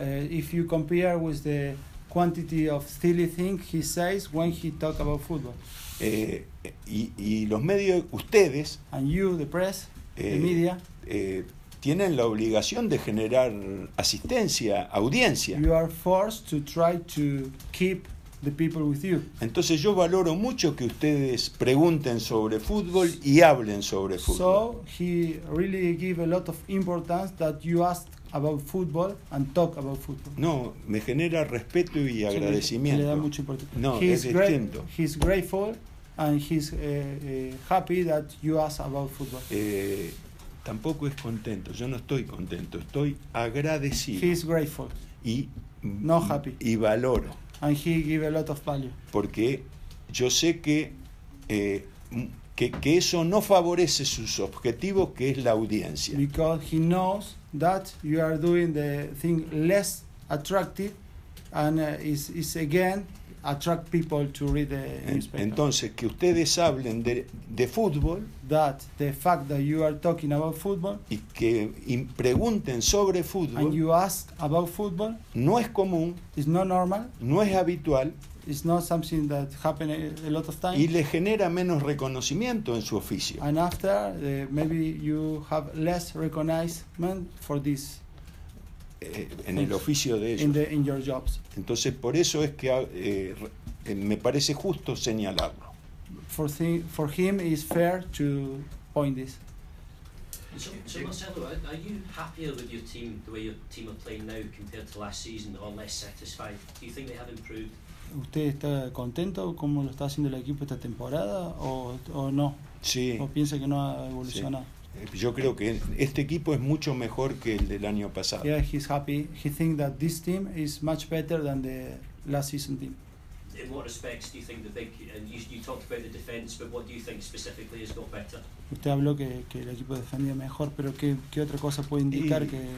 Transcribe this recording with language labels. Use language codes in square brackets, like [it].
[en] If you compare with the quantity of silly things he says when he talks about football. [es] Y los medios, ustedes, [en] and you, the press, the media, [es] tienen la obligación de generar asistencia, audiencia. [en] You are forced to try to keep the people with you. [es] Entonces yo valoro mucho que ustedes pregunten sobre fútbol y hablen sobre fútbol. [en] So he really gave a lot of importance that you ask about football and talk about football. [es] No, me genera respeto y agradecimiento. Le da mucho importancia. No, [en] he's [es] es distinto. [en] He's grateful and he's happy that you ask about football. [es] Tampoco es contento. Yo no estoy contento. Estoy agradecido. [en] He's grateful. [es] Y [en] no happy. [es] Y valoro. [en] And he give a lot of value. [es] Porque yo sé que eso no favorece sus objetivos, que es la audiencia. [en] Because he knows that you are doing the thing less attractive, and is again attract people to read the newspaper. [es] Entonces que ustedes hablen de fútbol. [en] That the fact that you are talking about football. [es] Y que pregunten sobre fútbol. [en] And you ask about football. [es] No es común. [en] It's not normal. [es] No es habitual. [en] It's not something that happens a lot of times. [es] Y le genera menos reconocimiento en su oficio. [en] And after maybe you have less recognition for this. [es] En el oficio de ellos. [en] In your jobs. [es] Entonces por eso es que me parece justo señalarlo. [en] For him it's fair to point this. So Marcelo, are you happier with your team, the way your team are playing now compared to last season, or less satisfied? Do you think they have improved? [es] ¿Usted está contento cómo lo está haciendo el equipo esta temporada o no? Sí. ¿O piensa que no ha evolucionado? Sí. Yo creo que este equipo es mucho mejor que el del año pasado. [en] Yeah, he's happy. He thinks that this team is much better than the last season team. In what respects do you think the big? And you talked about the defense, but what do you think specifically has got better? [es] Usted habló que el equipo defendía mejor, pero qué otra cosa puede indicar que?